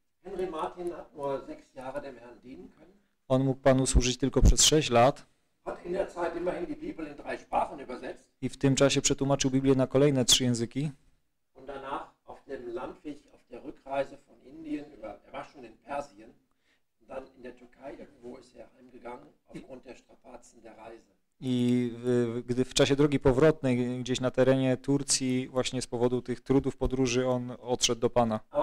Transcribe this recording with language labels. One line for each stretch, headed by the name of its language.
German: Henry Martin hat nur 6 Jahre dem Herrn dienen können.
Polish: On mógł Panu służyć tylko przez 6 lat.
German: Hat in der Zeit immerhin die Bibel in 3 Sprachen übersetzt.
Polish: I w tym czasie przetłumaczył Biblię na kolejne 3 języki.
German: Und danach auf dem Landweg, auf der Rückreise von Indien, er war schon in Persien, dann in der Türkei, irgendwo ist heimgegangen, aufgrund der Strapazen der Reise.
Polish: I gdy w czasie drogi powrotnej gdzieś na terenie Turcji, właśnie z powodu tych trudów podróży, on odszedł do Pana.